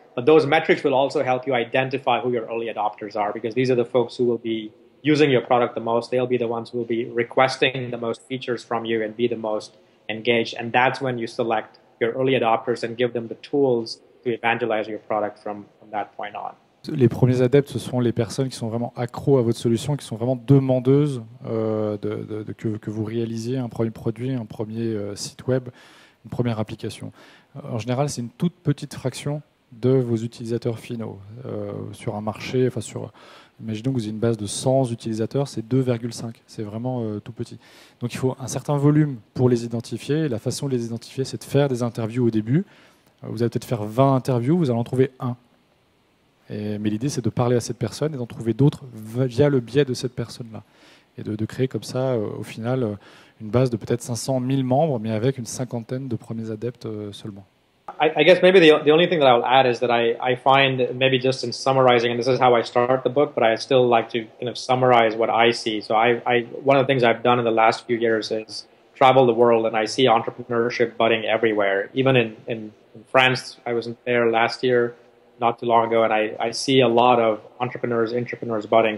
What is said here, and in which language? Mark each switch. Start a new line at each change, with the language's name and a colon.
English: But those metrics will also help you identify who your early adopters are, because these are the folks who will be using your product the most. They'll be the ones who will be requesting the most features from you and be the most engaged. And that's when you select your early adopters and give them the tools to evangelize your product from that point on.
French: les premiers adeptes, ce sont les personnes qui sont vraiment accros à votre solution, qui sont vraiment demandeuses que vous réalisiez un premier produit, un premier site web, une première application. En général, c'est une toute petite fraction de vos utilisateurs finaux sur un marché. Enfin, sur, imaginons que vous avez une base de 100 utilisateurs, c'est 2,5. C'est vraiment tout petit. Donc il faut un certain volume pour les identifier. Et la façon de les identifier, c'est de faire des interviews au début. Vous allez peut-être faire 20 interviews, vous allez en trouver un. Mais l'idée, c'est de parler à cette personne et d'en trouver d'autres via le biais de cette personne-là. Et de créer comme ça, au final, une base de peut-être 500 000 membres, mais avec une cinquantaine de premiers adeptes seulement.
English: I guess maybe the only thing that I will add is that I find maybe just in summarizing, and this is how I start the book, but I still like to kind of summarize what I see. So I one of the things I've done in the last few years is travel the world, and I see entrepreneurship budding everywhere. Even in France, I was there last year, not too long ago, and I see a lot of entrepreneurs budding.